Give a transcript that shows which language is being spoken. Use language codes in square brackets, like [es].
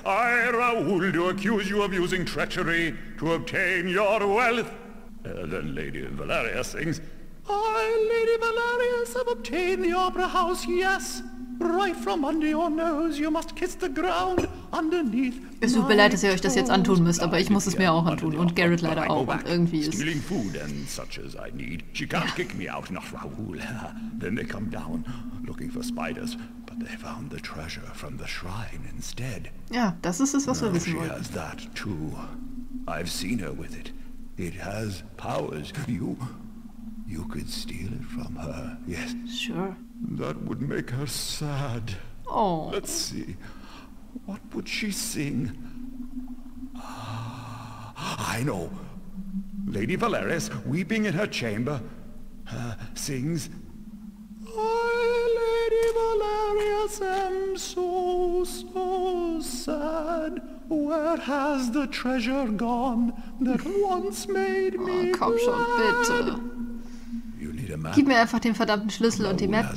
[en] I, Raoul, do accuse you of using treachery to obtain your wealth. Then Lady Valeria sings, I, Lady Valeria, have obtained the opera house, yes. Right from under your nose, you must kiss the ground underneath. [de] Es tut mir leid, dass ihr euch das jetzt antun müsst, aber ich muss es mir auch antun. Und Garrett leider auch. Und irgendwie ist... [en] Stealing food and such as I need. She can't kick me out, not Raoul. Then they come down, looking for spiders. But they found the treasure from the shrine instead. [de] Ja, das ist es, was wir wissen wollen. [en] She has that too. I've seen her with it. It has powers. You could steal it from her, yes? Sure. That would make her sad. Oh. Let's see. What would she sing? I know. Lady Valeris, weeping in her chamber, sings, I, Lady Valeris, am so, so sad. Where has the treasure gone that once made me glad? [de] Oh, komm schon, bitte. Gib mir einfach den verdammten Schlüssel und die Map.